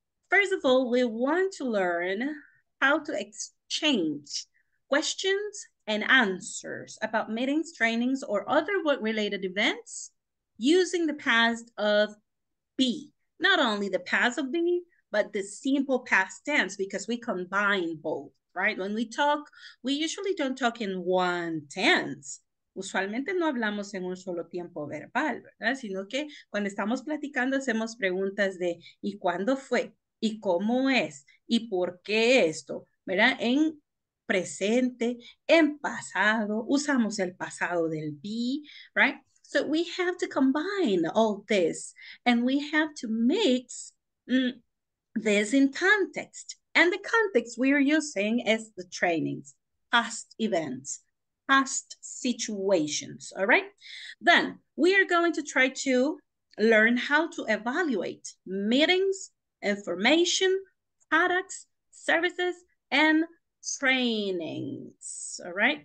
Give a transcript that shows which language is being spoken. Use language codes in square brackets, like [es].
[en] First of all, we want to learn how to exchange questions and answers about meetings, trainings, or other work-related events using the past of be. Not only the past of be, but the simple past tense, because we combine both, right? When we talk, we usually don't talk in one tense. [es] Usualmente no hablamos en un solo tiempo verbal, ¿verdad? Sino que cuando estamos platicando, hacemos preguntas de ¿y cuándo fue? ¿Y cómo es? ¿Y por qué esto? ¿Verdad? En presente, en pasado, usamos el pasado del be, right? [en] So we have to combine all this, and we have to mix this in context. And the context we are using is the trainings, past events, past situations, all right? Then we are going to try to learn how to evaluate meetings, information, products, services, and trainings, all right?